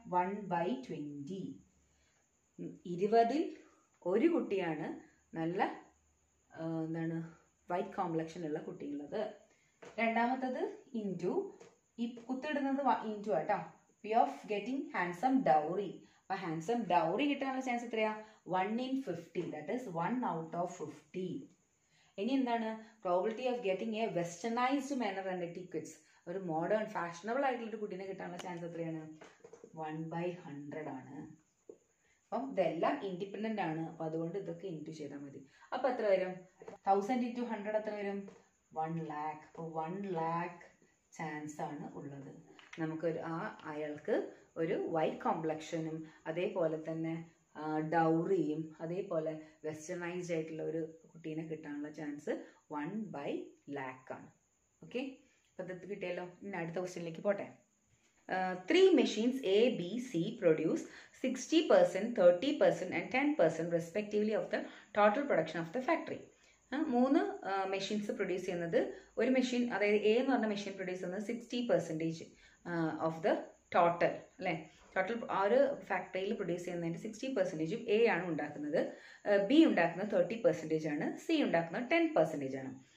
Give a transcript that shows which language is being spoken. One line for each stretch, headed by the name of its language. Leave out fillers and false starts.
Malayalam: 1 by 20. 20 ഒരു കുട്ടിയാണ് നല്ല എന്താണ് വൈറ്റ് കോംപ്ലക്ഷൻ ഉള്ള കുട്ടിയുള്ളത്. രണ്ടാമത്തത് ഇൻറ്റു, ഈ കുത്തിടുന്നത് ഇൻറ്റു ആട്ടോ,
English: P of getting handsome dowry.
Malayalam: അപ്പോൾ ഹാൻസം ഡൗറി കിട്ടാനുള്ള ചാൻസ് എത്രയാ?
English: 1 in 50, that is 1 out of 50.
Malayalam: ഇനി എന്താണ്
English: probability of getting a westernised manner and etiquettes,
Malayalam: ഒരു മോഡേൺ ഫാഷനബിൾ ആയിട്ടുള്ള ഒരു കുട്ടീനെ കിട്ടാനുള്ള ചാൻസ് എത്രയാണ്? 1 by 100 ആണ്. അപ്പം ഇതെല്ലാം ഇൻഡിപെൻഡൻ്റ് ആണ്, അപ്പോൾ അതുകൊണ്ട് ഇതൊക്കെ ഇൻറ്റു ചെയ്താൽ മതി. അപ്പോൾ എത്ര വരും? 1000 into 100 എത്ര വരും? 1 lakh. അപ്പോൾ 1 lakh ചാൻസ് ആണ് ഉള്ളത് നമുക്കൊരു ആ അയാൾക്ക് ഒരു വൈറ്റ് കോംപ്ലക്ഷനും അതേപോലെ തന്നെ ഡൗറിയും അതേപോലെ വെസ്റ്റേണൈസ്ഡ് ആയിട്ടുള്ള ഒരു കുട്ടീനെ കിട്ടാനുള്ള ചാൻസ് 1 by 100,000 ആണ്. ഓക്കെ, അപ്പോൾ ഇത് കിട്ടിയല്ലോ. ഇനി അടുത്ത ക്വസ്റ്റ്യനിലേക്ക് പോട്ടെ.
English: 3 machines A, B, C produce 60%, 30% and 10% respectively of the total production of the factory.
Malayalam: 3 machines produce ചെയ്യുന്നത്, ഒരു മെഷീൻ അതായത് എ എന്ന് പറഞ്ഞ മെഷീൻ പ്രൊഡ്യൂസ് ചെയ്യുന്നത് 60% ഓഫ് ദ ടോട്ടൽ അല്ലേ. ടോട്ടൽ ആ ഒരു ഫാക്ടറിയിൽ പ്രൊഡ്യൂസ് ചെയ്യുന്നതിൻ്റെ 60% എ ആണ് ഉണ്ടാക്കുന്നത്. ബി ഉണ്ടാക്കുന്നത് 30% ആണ്. സി ഉണ്ടാക്കുന്നത് 10% ആണ്.